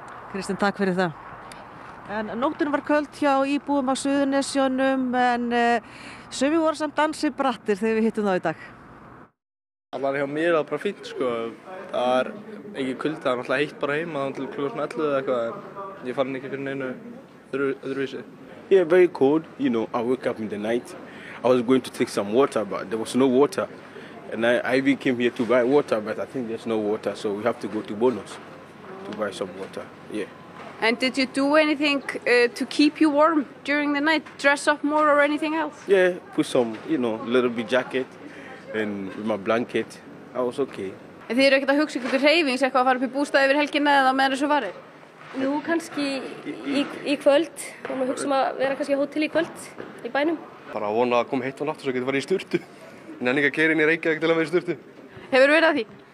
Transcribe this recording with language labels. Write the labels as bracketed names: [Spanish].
[Icelandic] Kristinn, takk fyrir það. En nóttin var köld hjá íbúum á Suðurnesjunum, en sumir voru samt ansi brattir þegar við hittum þá í dag. Allar hjá mér er bara fínt, sko. Það er ekki kuld, það er náttúrulega heitt bara heima, það er til klukkan 11 eða eitthvað, en ég fann ekki fyrir neinu öðruvísi. [English] Yeah, very cold, you know, I wake up in the night, I was going to take some water, but there was no water. And I even came here to buy water, but I think there's no water, so we have to go to Bonos to buy some water, yeah. And did you do anything to keep you warm during the night? Dress up more or anything else? Yeah, put some, you know, little bit jacket and with my blanket. I was okay. [Icelandic] En þið eru ekkert að hugsa ykkur til hreyfings eitthvað að fara upp í bústað yfir helginna eða meðan þessu varir? Jú, kannski í kvöld. Og maður hugsa um að vera kannski á hótel í kvöld í bænum. Bara að vona að koma heitt á nátt og svo getið farið í sturtu. Nenning að keira inn í Reykjavík til að vera í sturtu. Hefur verið að því?